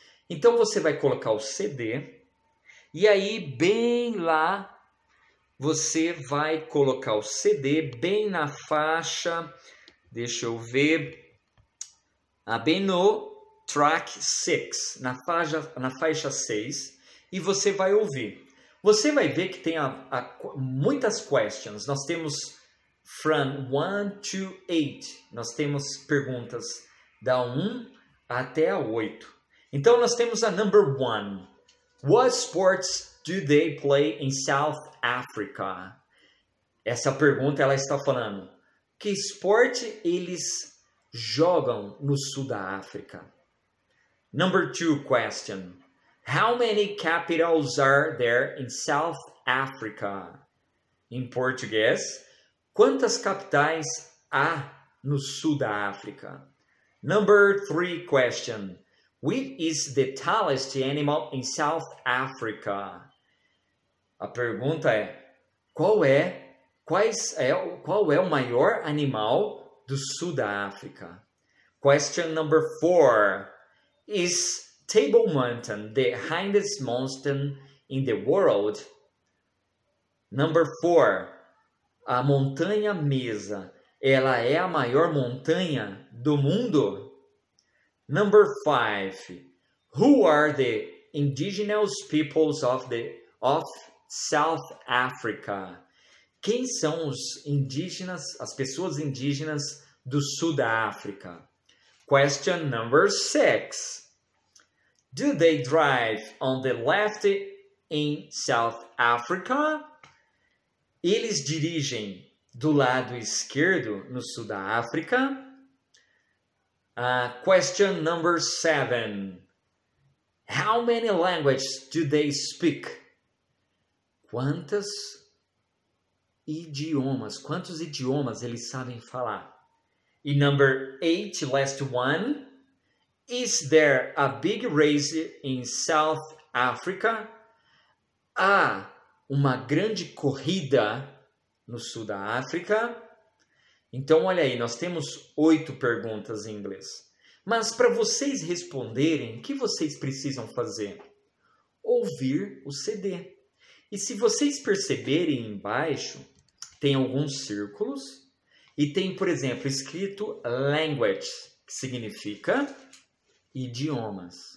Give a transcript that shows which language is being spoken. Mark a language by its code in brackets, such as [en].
[pt] Então você vai colocar o CD e aí bem lá você vai colocar o CD bem na faixa, deixa eu ver, bem no track 6, na faixa 6, e você vai ouvir. Você vai ver que tem muitas questions. Nós temos [en] from 1 to 8, [pt] nós temos perguntas da 1 até a 8. Então, nós temos a [en] number 1. What sports do they play in South Africa? [pt] Essa pergunta ela está falando que esporte eles jogam no sul da África? [en] Number two question. How many capitals are there in South Africa? [pt] Em português, quantas capitais há no sul da África? [en] Number three question. Which is the tallest animal in South Africa? [pt] A pergunta é: qual é Qual é o maior animal do sul da África? [en] Question number four. Is Table Mountain the highest mountain in the world? Number four. [pt] A montanha Mesa, ela é a maior montanha do mundo? [en] Number five. Who are the indigenous peoples of South Africa? [pt] Quem são os indígenas, as pessoas indígenas do sul da África? [en] Question number six. Do they drive on the left in South Africa? [pt] Eles dirigem do lado esquerdo no sul da África? [en] Question number seven. How many languages do they speak? [pt] Quantos idiomas eles sabem falar? [en] E number eight, last one. Is there a big race in South Africa? [pt] Há uma grande corrida no sul da África? Então, olha aí, nós temos oito perguntas em inglês. Mas para vocês responderem, o que vocês precisam fazer? Ouvir o CD. E se vocês perceberem embaixo, tem alguns círculos e tem, por exemplo, escrito language, que significa idiomas.